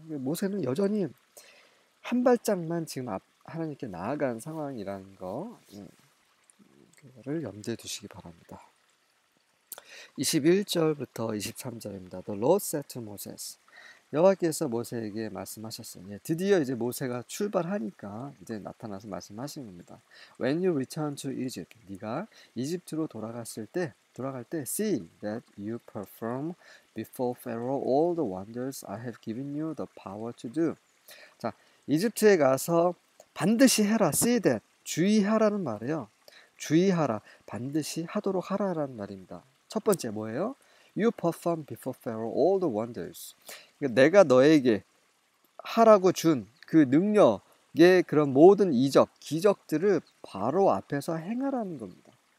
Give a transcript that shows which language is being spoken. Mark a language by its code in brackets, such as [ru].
[ko] 모세는 여전히 한 발짝만 지금 하나님께 나아간 상황이라는 거 그거를 염두에 두시기 바랍니다. 21절부터 23절입니다. [en] The Lord said to Moses. [ko] 여호와께서 모세에게 말씀하셨어요. 드디어 이제 모세가 출발하니까 이제 나타나서 말씀하시는 겁니다. [en] When you return to Egypt, [ko] 네가 이집트로 돌아갈 때, [en] see that you perform before Pharaoh all the wonders I have given you the power to do. [ko] 자, 이집트에 가서 반드시 해라. [en] See that. [ko] 주의하라는 말이에요. 주의하라. 반드시 하도록 하라라는 말입니다. 첫 번째 뭐예요? [en] You perform before Pharaoh all the wonders. [ko] 내가 너에게 하라고 준그 능력의 그런 모든 이적, 기적들을 바로 앞에서 행하라는 겁니다.